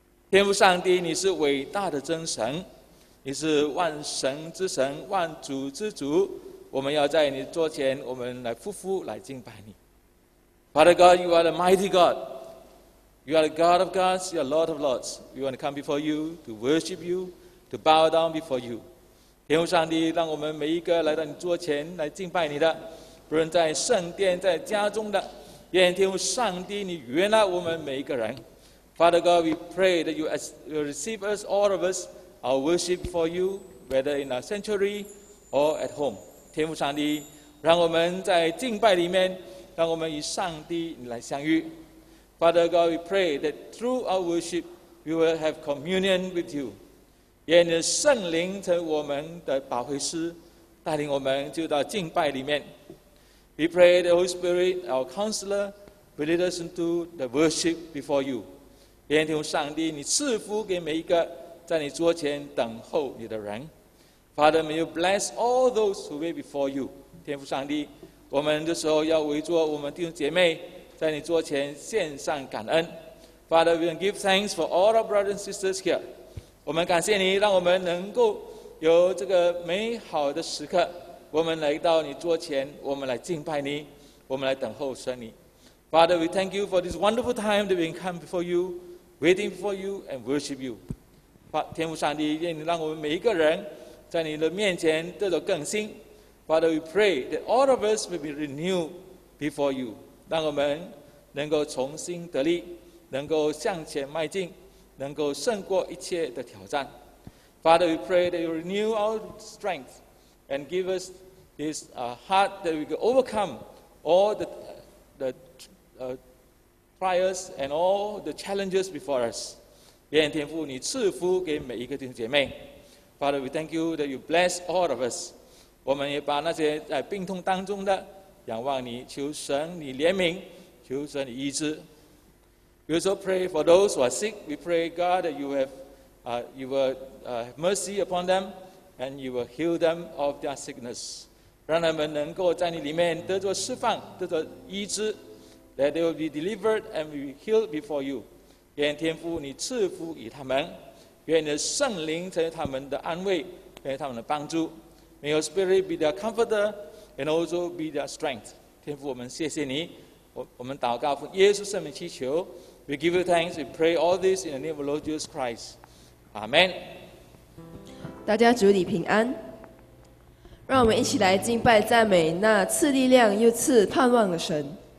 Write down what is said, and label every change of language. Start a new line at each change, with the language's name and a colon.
Chinese: 天父上帝，你是伟大的真神，你是万神之神，万主之主。我们要在你桌前，我们来夫妇来敬拜你。
English: Father God, you are the mighty God. You are the God of gods, you are Lord of lords. We want to come before you to worship you, to bow down before you.
Chinese: 天父上帝，让我们每一个来到你桌前来敬拜你的，不论在圣殿、在家中的，愿天父上帝你悦纳我们每一个人。
English: Father God, we pray that you receive us, all of us, our worship for you, whether in our sanctuary or at home.
Chinese: 天父上帝，让我们在敬拜里面，让我们与上帝来相遇。
English: Father God, we pray that through our worship, we will have communion with you.
Chinese: 愿你的圣灵成为我们的保惠师，带领我们就到敬拜里面。
English: We pray the Holy Spirit, our counselor, will lead us into the worship before you.
Chinese: 愿天父上帝你赐福给每一个在你桌前等候你的人。
English: Father, may you bless all those who wait before you.
Chinese: 天父上帝，我们这时候要围坐我们弟兄姐妹在你桌前献上感恩。
English: Father, we give thanks for all our brothers and sisters here.
Chinese: 我们感谢你，让我们能够有这个美好的时刻，我们来到你桌前，我们来敬拜你，我们来等候神你。
English: Father, we thank you for this wonderful time that we come before youWaiting for you and worship you.
Chinese: 天父上帝，愿你让我们每一个人在你的面前得到更新。
English: Father, we pray that all of us will be renewed before you.
Chinese: 让我们能够重新得力，能够向前迈进，能够胜过一切的挑战。
English: Father, we pray that you renew our strength and give us this heart that we can overcome all the trials and all the challenges before us.
Chinese: 愿天父你赐福给每一个弟兄姐妹。
English: Father, we thank you that you bless all of us.
Chinese: 我们也把那些在病痛当中的仰望你，求神你怜悯，求神你医治。
English: We also pray for those who are sick. We pray God that you will have mercy upon them and you will heal them of their sickness.
Chinese: 让他们能够在你里面得着释放，得着医治。
English: That they will be delivered and be healed before you.
Chinese: 愿天父你赐福与他们，愿你的圣灵成为他们的安慰，成为他们的帮助。
English: May your spirit be their comforter and also be their strength.
Chinese: 天父，我们谢谢你。我们祷告奉耶稣圣名祈求。
English: We give you thanks. We pray all this in the name of Lord Jesus Christ. Amen.
Chinese: 大家主里平安。让我们一起来敬拜赞美那赐力量又赐盼望的神。